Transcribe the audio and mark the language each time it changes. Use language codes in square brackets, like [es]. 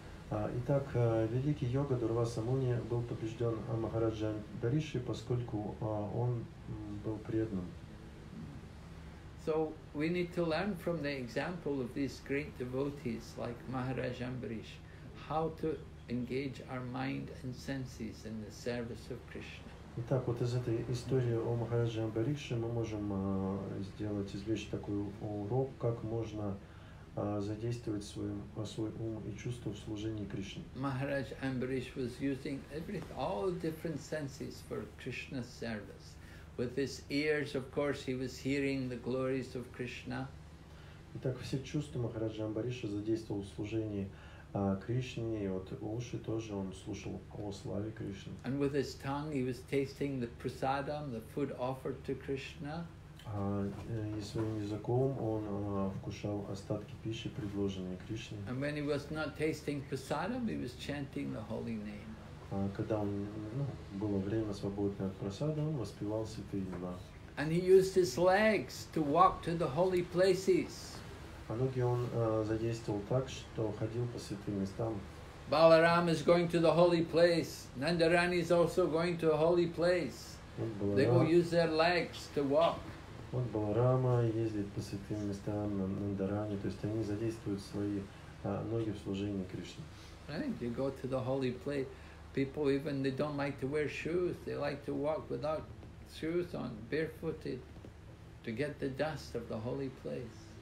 [ru] Итак, великий йога Дурваса Муни был побежден Махараджа Амбариши, поскольку он был преданным. [en] So we need to learn from the example of these great devotees like Maharaj Ambarish how to engage our mind and senses in the service of Krishna. [ru] Итак, вот из этой истории о Махараджа Амбарише мы можем сделать, извлечь такой урок, как можно задействовать свой ум и чувство в служении Кришне. [en] Maharaj Ambarish was using all different senses for Krishna's service. With his ears, of course, he was hearing the glories of Krishna. [ru] Итак, все чувства Махараджа Амбариша задействовал в служении Кришне, и вот уши тоже он слушал о славе Кришны. [en] And with his tongue, he was tasting the prasadam, the food offered to Krishna. [ru] И своим языком он вкушал остатки пищи, предложенные Кришне. [en] And when he was not tasting prasadam, he was chanting the holy name. [ru] Когда он, ну, было время свободное от просады, он воспевал святые имена. [en] And he used his legs to walk to the holy places. [ru] А ноги он задействовал так, что ходил по святым местам. [en] Balaram is going to the holy place. Nandarani is also going to a holy place. They will use their legs to walk. [ru] Вот Баларама ездит по святым местам, Нандарани, то есть они задействуют свои ноги в служении Кришне. [en] Right, you go to the holy place. People, even they don't like to wear shoes, they like to walk without shoes on, barefooted, to get the dust of the holy place.